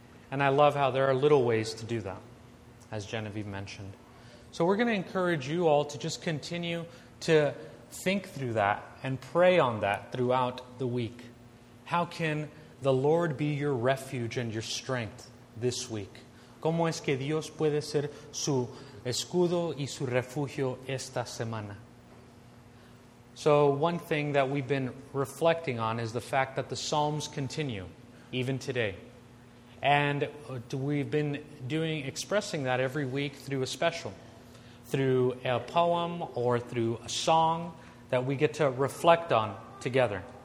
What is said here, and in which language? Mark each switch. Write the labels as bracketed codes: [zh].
[en] And I love how there are little ways to do that, as Genevieve mentioned. So we're going to encourage you all to just continue to think through that and pray on that throughout the week. How can the Lord be your refuge and your strength this week? [es] ¿Cómo es que Dios puede ser su escudo y su refugio esta semana? [en] So one thing that we've been reflecting on is the fact that the Psalms continue, even today. And we've been expressing that every week through a special, through a poem or through a song that we get to reflect on together.